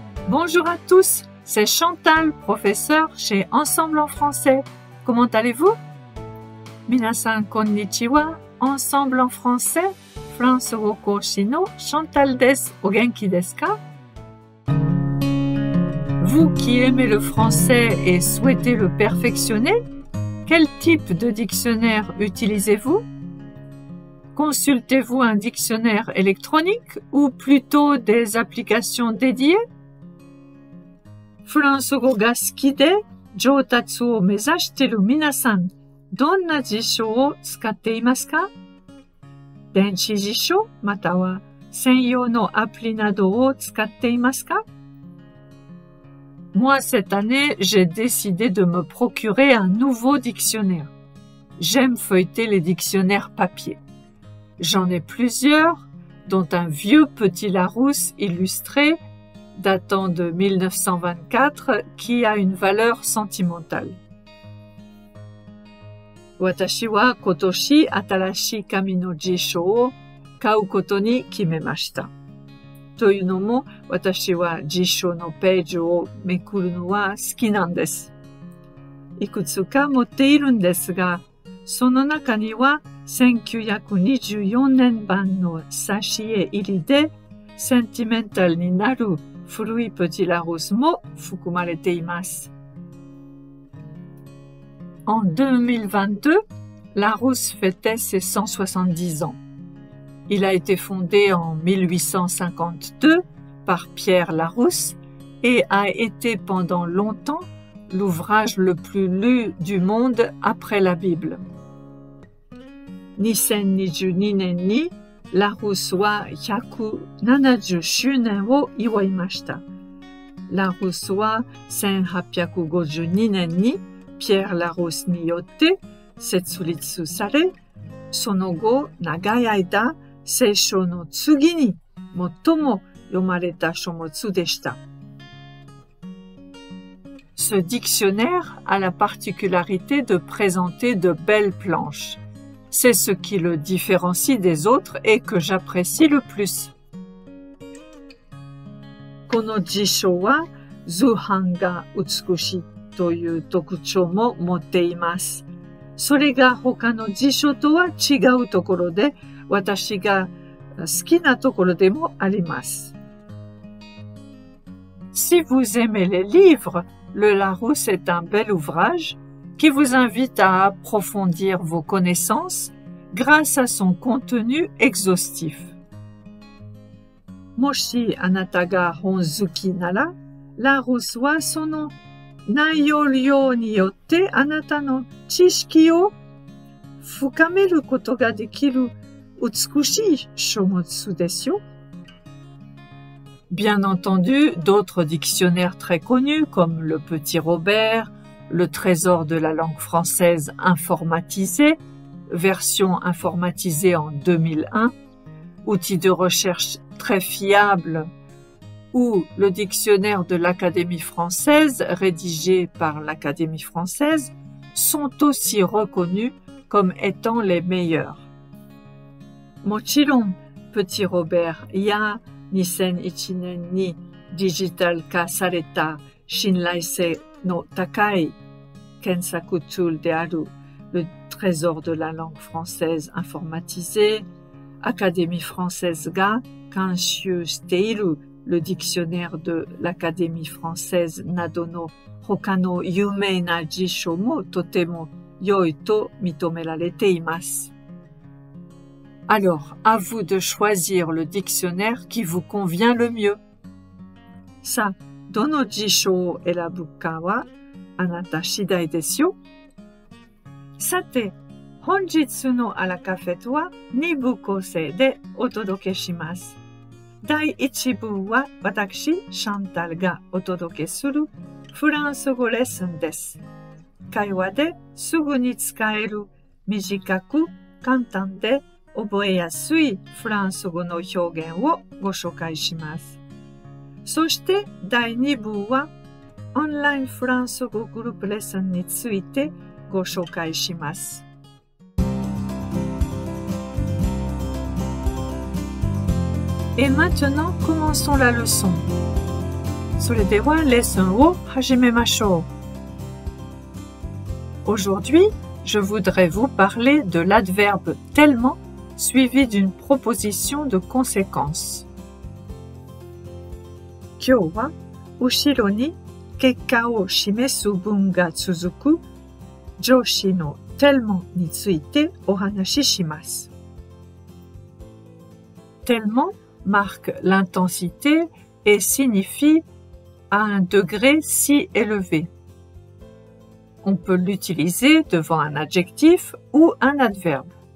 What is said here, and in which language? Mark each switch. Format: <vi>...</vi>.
<fr>Bonjour à tous, c'est Chantal, professeur chez Ensemble en français. Comment allez-vous?</fr> <ja>皆さんこんにちは。 Ensemble en français, フランス語講師のChantal です。お元気ですか？</ja> <fr>Vous qui aimez le français et souhaitez le perfectionner, quel type de dictionnaire utilisez-vous? Consultez-vous un dictionnaire électronique ou plutôt des applications dédiées?</fr> <ja>フランス語が好きで上達を目指している皆さん、どんな辞書を使っていますか？電子辞書または専用のアプリなどを使っていますか？</ja> <fr>Moi, cette année, j'ai décidé de me procurer un nouveau dictionnaire. J'aime feuilleter les dictionnaires papier. J'en ai plusieurs, dont un vieux Petit Larousse illustré, datant de 1924, qui a une valeur sentimentale.</fr> <ja>私は今年新しい紙の辞書を買うことに決めました。というのも、私は辞書のページをめくるのは好きなんです。いくつか持っているんですが、その中には1924年版の挿絵入りで、センチメンタルになる古いペティラロスも含まれています。</ja> <fr>En 2022, Larousse fêtait ses 170 ans. Il a été fondé en 1852 par Pierre Larousse et a été pendant longtemps l'ouvrage le plus lu du monde après la Bible.</fr> <ja>2022年にラルスは170周年を祝いました。ラルスは1852年にピエール・ラルスによって設立され、その後長い間聖書の次に最も読まれた書物でした。</ja> <fr>Ce dictionnaire a la particularité de présenter de belles planches. C'est ce qui le différencie des autres et que j'apprécie le plus.</fr> <ja>この辞書は図版が美しいという特徴も持っています。それが他の辞書とは違うところで、私が好きなところでもあります。</ja> <fr>Si vous aimez les livres, le Larousse est un bel ouvrage qui vous invite à approfondir vos connaissances grâce à son contenu exhaustif.</fr> <ja>もしあなたが本好きなら、Larousse はその内容量によってあなたの知識を深めることができる美しい書物ですよ。</ja> <fr>Bien entendu, d'autres dictionnaires très connus comme le Petit Robert, le Trésor de la langue française informatisé, version informatisée en 2001, outil de recherche très fiable, ou le dictionnaire de l'Académie française rédigé par l'Académie française sont aussi reconnus comme étant les meilleurs.</fr> <ja>もちろん、プティ・ロベルや2001年にデジタル化された信頼性の高い検索ツールである Le Trésor de la langue française informatisée、Académie française が監修している Le Dictionnaire de l'Académie française などの他の有名な辞書もとても良いと認められています。</ja> <fr>Alors, à vous de choisir le dictionnaire qui vous convient le mieux.</fr> <ja>さあ、どの辞書を選ぶかはあなた次第ですよ。さて、本日のアラカフェとは2部構成でお届けします。第1部は私、シャンタルがお届けするフランス語レッスンです。会話ですぐに使える短く簡単で覚えやすいフランス語の表現をご紹介します。そして第2部はオンラインフランス語グループレッスンについてご紹介します。</ja> <fr>Et maintenant, commençons la leçon.</fr> <ja>それでは、レッスンを始めましょう。</ja> <fr>Aujourd'hui, je voudrais vous parler de l'adverbe tellement suivi d'une proposition de conséquence.</fr> <ja>今日は、後ろに結果を示す文が続く助詞の tellement についてお話しします。</ja> <fr>Tellementmarque l'intensité et signifie à un degré si élevé. On peut l'utiliser devant un adjectif ou un adverbe.</fr>